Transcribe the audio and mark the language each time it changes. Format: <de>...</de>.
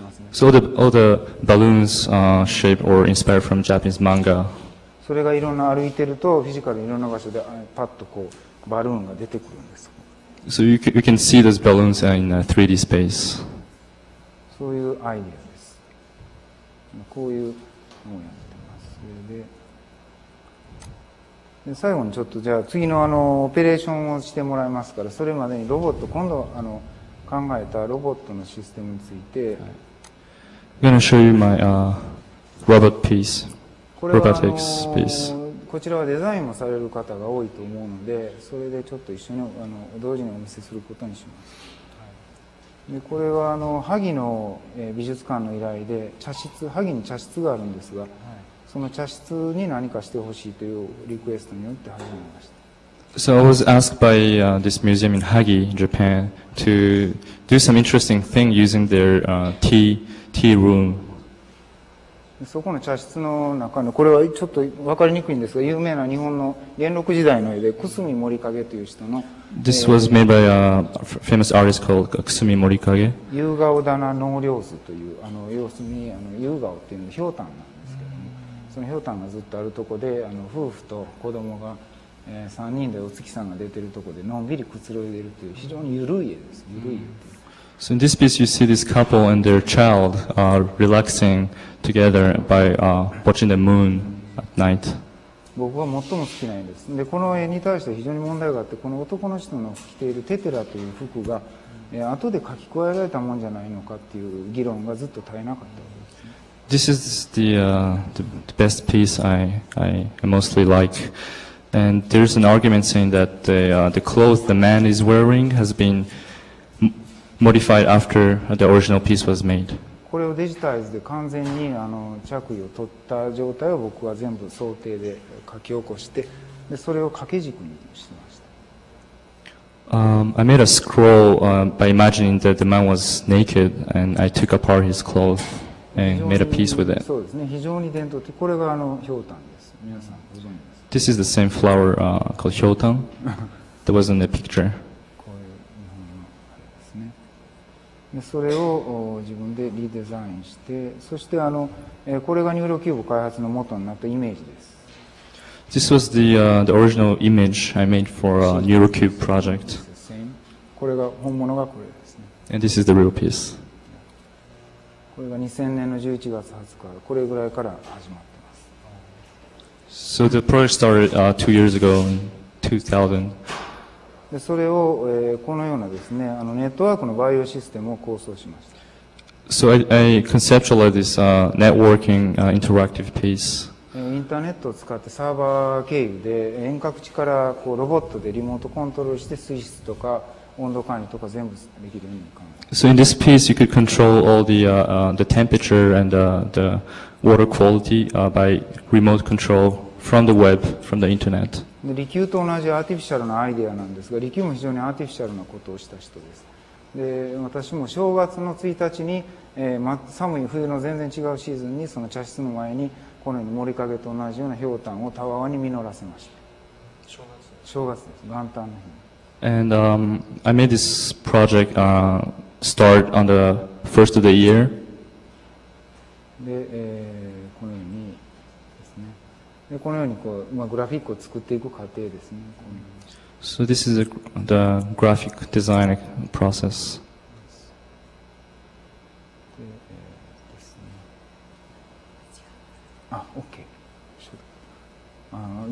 <en>So all the balloons shape or inspired from Japanese manga.</en> <ja>それがいろんな歩いてるとフィジカルいろんな場所でパッとこうバルーンが出てくるんです。</ja> <en>So you can see those balloons in a 3D space.</en> <ja>そういうアイデアです。こういうのをやってます。それで、で最後にちょっとじゃあ次のあのオペレーションをしてもらいますから、それまでにロボット今度あの。考えたロボットのシステムについて。</ja> <en>I'm going to show you my robot piece, robotics piece.</en> <ja>こちらはデザインもされる方が多いと思うので、それでちょっと一緒にあの同時にお見せすることにします。でこれはあの萩の美術館の依頼で茶室、萩に茶室があるんですが、その茶室に何かしてほしいというリクエストによって始めました。</ja> <en>So I was asked by this museum in Hagi, Japan, to do some interesting thing using their tea room.</en> <ja>そこの茶室の中の、これはちょっと分かりにくいんですが、有名な日本の元禄時代の絵で、くすみ森影という人の。</ja> <en>This was made by a famous artist called くすみ森影。</en> <ja>優顔棚農業図という、あの要するにあの優顔っていうのはひょうたんなんですけども、そのひょうたんがずっとあるとこで、あの夫婦と子供が、3人でお月さんが出てるところでのんびりくつろいでるという非常に緩い絵です。緩い絵です。</ja> <en>So in this piece you see this couple and their child relaxing together by watching the moon at night.</en> <ja>僕は最も好きな絵です。で、この絵に対して非常に問題があって、この男の人の着ているテテラという服が、後で書き加えられたもんじゃないのかっていう議論がずっと絶えなかったわけです。</ja> <en>This is the best piece I mostly like. And there's an argument saying that the clothes the man is wearing has been modified after the original piece was made.</en> <ja>これをデジタイズで完全に着衣を取った状態を僕は全部想定で書き起こして、でそれを掛け軸にしました。</ja> <en>I made a scroll by imagining that the man was naked and I took apart his clothes and made a piece with it.</en> <ja>そうですね、非常に伝統的。これがひょうたんです。皆さんご存知ですか。</ja> <en>This is the same flower called ひょうたん that was in the picture.</en> <ja>それを自分でリデザインして、そしてこれがニューロキューブ開発の元になったイメージです。</ja> <en>This was the original image I made for a NeuroCube project.</en> <ja>これが本物がこれですね。</ja> <en>And this is the real piece.</en> <ja>これが2000年の11月20日これぐらいから始まってます。</ja> <en>So the project started 2 years ago in 2000.</en> <ja>でそれを、このようなですね、ネットワークのバイオシステムを構想しました。</ja> <en>So I conceptualized this networking interactive piece.</en> <ja>インターネットを使ってサーバー経由で遠隔地からこうロボットでリモートコントロールして水質とか温度管理とか全部できるように考えます。</ja> <en>So in this piece, you could control all the temperature and the water quality by remote control from the web, from the internet.</en> <ja>でリキューと同じアーティフィシャルなアイデアなんですが、リキューも非常にアーティフィシャルなことをした人です。で私も正月の1日に、寒い冬の全然違うシーズンにその茶室の前にこのように森影と同じような氷炭をたわわに実らせました。正月です、元旦の日。</ja> <en>And I made this project start on the first of the year.</en> <ja>で、このようにでこのようにこう、まあ、グラフィックを作っていく過程ですね。</ja> <en>So this is the graphic design process.</en> <ja>で、ですね、あ、OK。</ja>